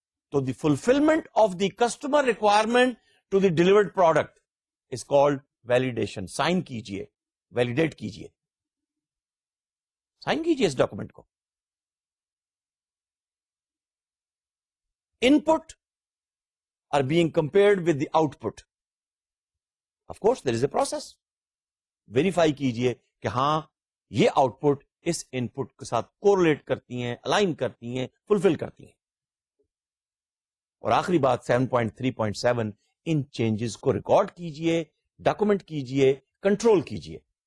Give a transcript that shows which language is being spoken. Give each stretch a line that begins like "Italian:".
English: تو the fulfilment of the customer requirement to the delivered product is called validation.
Urdu: Sign کیجئے, validate کیجئے, sign کیجئے اس document کو.
English: Input are being compared with the output, of course there is a process.
Urdu: Verify کیجئے کہ ہاں یہ out put اس input کے ساتھ کورلیٹ کرتی ہیں, الائن کرتی ہیں, فلفل کرتی ہیں. اور آخری بات 7.3.7, ان چینجز کو ریکارڈ کیجئے, ڈاکومنٹ کیجئے, کنٹرول کیجئے.